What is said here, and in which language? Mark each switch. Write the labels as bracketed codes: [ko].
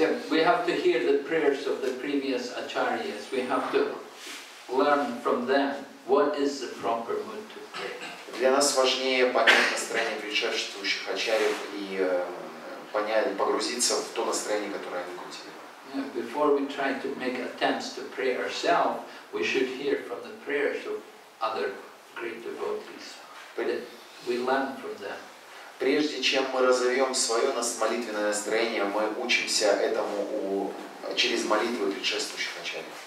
[en] We have to hear the prayers of the previous acharyas. We have to learn from them what is the proper mood to pray. [ru] Для нас важнее понять настроение предшествующих ачарьев и понять, погрузиться в то настроение, которое они крутили. [en] Before we try to make attempts to pray ourselves, we should hear from the prayers of other great devotees. We learn from them. [ru] Прежде чем мы разовьем свое молитвенное настроение, мы учимся этому через молитвы предшествующих ачарьев.